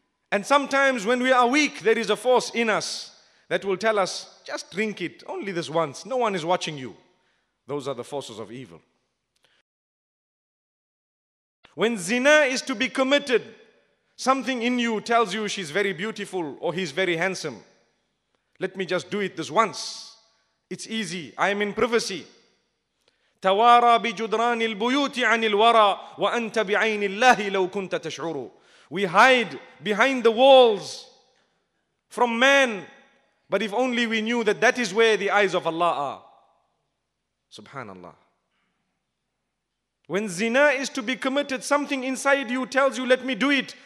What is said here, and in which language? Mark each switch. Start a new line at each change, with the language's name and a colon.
English: And sometimes when we are weak, there is a force in us that will tell us, just drink it, only this once. No one is watching you. Those are the forces of evil. When zina is to be committed, Something in you tells you she's very beautiful or he's very handsome. Let me just do it this once. It's easy. I am in privacy.
Arabic: توارى بجدران البيوت عن الورى وأنت بعين الله لو كنت تشعر.
English: We hide behind the walls from man, but if only we knew that that is where the eyes of Allah are. Subhanallah. When zina is to be committed, something inside you tells you, let me do it.